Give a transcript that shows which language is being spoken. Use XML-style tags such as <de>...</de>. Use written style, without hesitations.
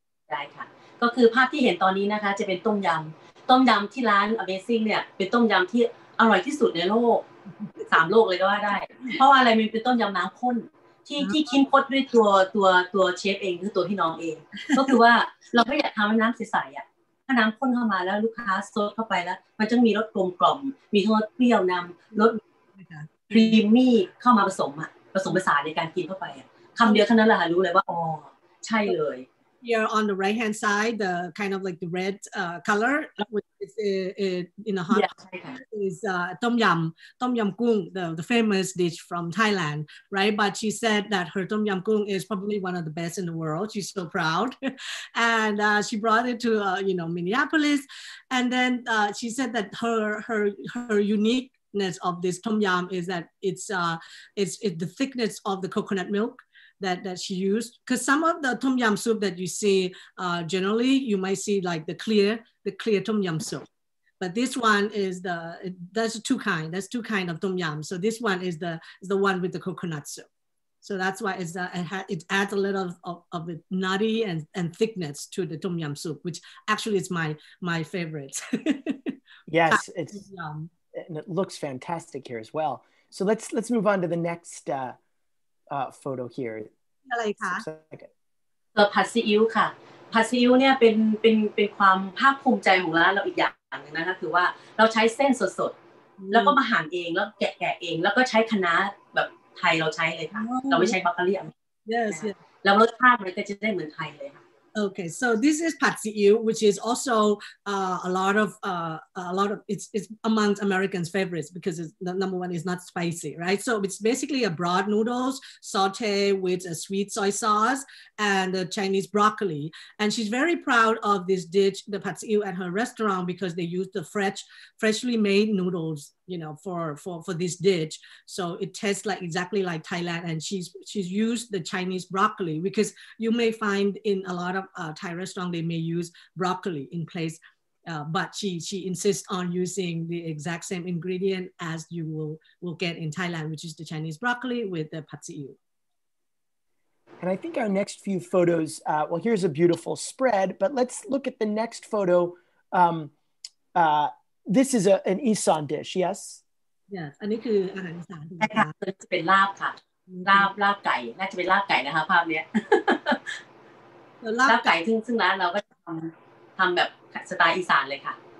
<th>ได้ค่ะก็คือภาพที่เห็นตอนนี้นะคะจะเป็นต้มยำที่ร้าน Amazing เนี่ยเป็นต้มยำที่อร่อยที่สุดในโลก3โลกเลยก็ว่าได้เพราะอะไรมันเป็นต้มยำน้ำข้นที่คิดคดด้วยตัวเชฟเองคือตัวพี่น้องเองก็คือว่าเราไม่อยากทำให้น้ำใสๆอ่ะถ้าน้ำข้นเข้ามาแล้วลูกค้าซดเข้าไปแล้วมันจะมีรสกลมกล่อมมีทั้งรสเปรี้ยวนำรสครีมมี่เข้ามาผสมประสานในการกินเข้าไปคำเดียวเท่านั้นแหละค่ะรู้เลยว่าอ๋อใช่เลย</th> <en>Here on the right hand side the kind of like the red color which is in a hot is tom yum gung the famous dish from Thailand right but she said that her tom yum gung is probably one of the best in the world she's so proud and she brought it to you know Minneapolis and then she said that her uniqueof this tom yum is that it's the thickness of the coconut milk that she used because some of the tom yum soup that you see generally you might see like the clear tom yum soup but this one is there's two kinds of tom yum so this one is the one with the coconut soup so that's why it adds a little of the nutty and thickness to the tom yum soup which actually is my favorite yes it's yum. And it looks fantastic here as well. So let's move on to the next photo here.</en> <th>อะไรคะ ตัวผัดซีอิ๊วค่ะ ผัดซีอิ๊วเนี่ยเป็นความภาคภูมิใจของร้านเราอีกอย่างนึงนะคะคือว่าเราใช้เส้นสดๆแล้วก็มาหั่นเองแล้วแกะเองแล้วก็ใช้คะน้าแบบไทยเราใช้เลยค่ะ เราไม่ใช้บัคเตอรี่</th> <en>Yes.</en> <th>แล้วรสชาติมันก็จะได้เหมือนไทยเลยค่ะ</th> <en>Okay, so this is pad see ew, which is also a lot of it's amongst Americans' favorites because it's, the number one is not spicy, right? So it's basically a broad noodles saute with a sweet soy sauce and a Chinese broccoli. And she's very proud of this dish, the pad see ew, at her restaurant because they use the freshly made noodles, you know, for this dish. So it tastes like exactly like Thailand. And she's used the Chinese broccoli because you may find in a lot of Thai restaurant, they may use broccoli in place, but she insists on using the exact same ingredient as you will get in Thailand, which is the Chinese broccoli with the pad see ew. And I think our next few photos, here's a beautiful spread, but let's look at the next photo. This is an Isan dish, yes?</en> <th>Yes, อันนี้คืออาหารอีสาน ใช่ค่ะจะเป็นลาบค่ะลาบไก่น่าจะเป็นลาบไก่นะคะภาพนี้ลาบไก่ซึ่งร้านเราก็ทำแบบสไตล์อีสานเลยค่ะ</th>